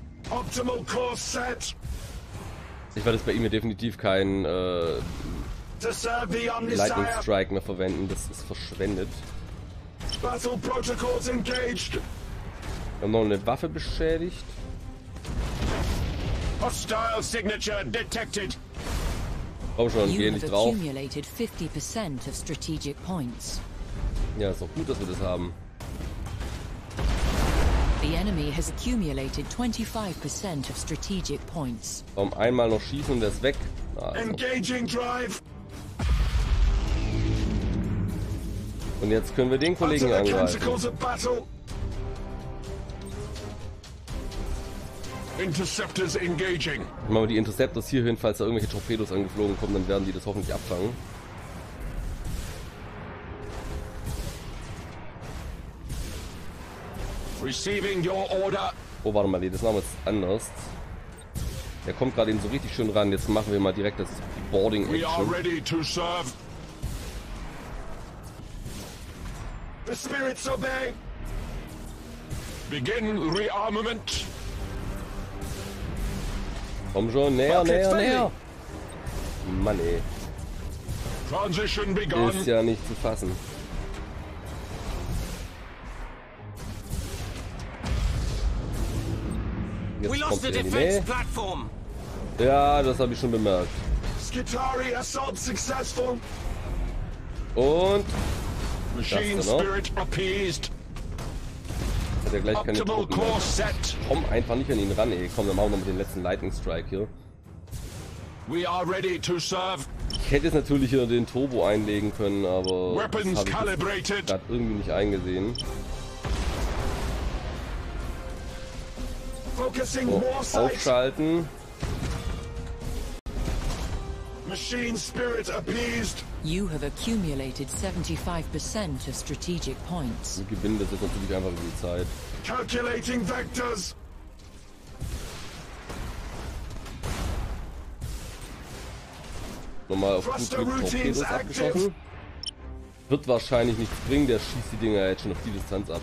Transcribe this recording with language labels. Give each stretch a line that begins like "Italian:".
English: Optimal Course Set.
German: Ich werde jetzt bei ihm definitiv keinen Lightning Strike mehr verwenden, das ist verschwendet.
English: Battle Protocols engaged.
German: Wir haben noch eine Waffe beschädigt.
English: Hostile Signature detected.
German: Komm schon, geh nicht drauf.
English: Accumulated 50% of strategic points.
German: Ja, ist doch gut, dass wir das haben.
English: The enemy has accumulated 25% of strategic points.
German: Komm, einmal noch schießen und der ist weg. Also.
English: Engaging drive.
German: Und jetzt können wir den Kollegen angreifen.
English: Interceptors engaging.
German: Machen wir die Interceptors hier hin, falls da irgendwelche Torpedos angeflogen kommen, dann werden die das hoffentlich abfangen.
English: Receiving your order.
German: Oh, warte mal, das machen wir jetzt anders. Der kommt gerade eben so richtig schön ran. Jetzt machen wir mal direkt das Boarding Action.
English: We are ready to serve. The spirits obey. Begin rearmament.
German: Komm schon, näher, näher, näher. Mann, ey.
English: Transition begun.
German: Ist ja nicht zu fassen.
English: We lost the defense platform.
German: Ja, das habe ich schon bemerkt.
English: Skitari assault successful. Und Machine Spirit appeased.
German: Hat er gleich keine Truppen mehr. Komm einfach nicht an ihn ran, ey. Komm, dann machen wir noch mit dem letzten Lightning Strike hier.
English: We are ready to serve.
German: Ich hätte jetzt natürlich hier den Turbo einlegen können, aber Weapons das habe ich gerade irgendwie nicht eingesehen. Focusing so, aufschalten.
English: Machine Spirit appeased. You have accumulated 75% of strategic points.
German: Wir gewinnen das jetzt natürlich einfach über die Zeit.
English: Calculating vectors.
German: Nochmal auf gut Glück Torpedos abgeschossen. Wird wahrscheinlich nichts bringen, der schießt die Dinger jetzt schon auf die Distanz ab.